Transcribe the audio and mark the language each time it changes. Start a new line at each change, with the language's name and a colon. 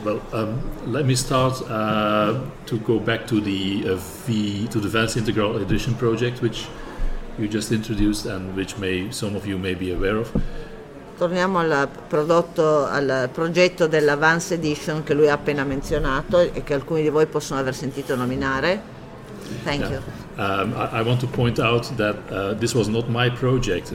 English: Well, let me start to go back to the Vance Integral Edition project, which you just introduced and which some of you may be aware of.
Italian: Torniamo al progetto della Vance Edition che lui ha appena menzionato e che alcuni di voi possono aver sentito nominare.
English: Thank you. I want to point out that this was not my project.